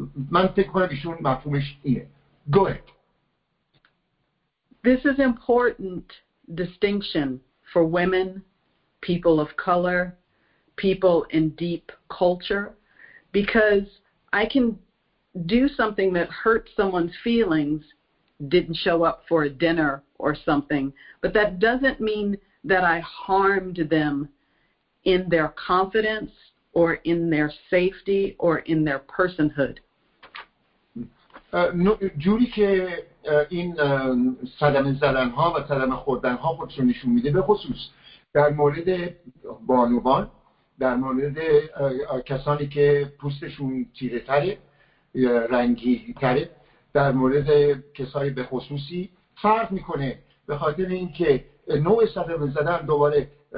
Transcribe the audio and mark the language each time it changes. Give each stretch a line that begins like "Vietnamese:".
Persian: من فکر کنم ایشون مفهومش اینه.
English: Go ahead. This is important distinction for women, people of color, people in deep culture, because I can do something that hurts someone's feelings, didn't show up for a dinner or something, but that doesn't mean that I harmed them in their confidence or in their safety or in their personhood.
Persian: جوری که این صدمه زدن ها و صدمه خوردن ها خودشون نشون میده، به خصوص در مورد بانوان، در مورد کسانی که پوستشون تیره تره، رنگی تره، در مورد کسای به خصوصی فرق میکنه، به خاطر اینکه نوع صدمه زدن دوباره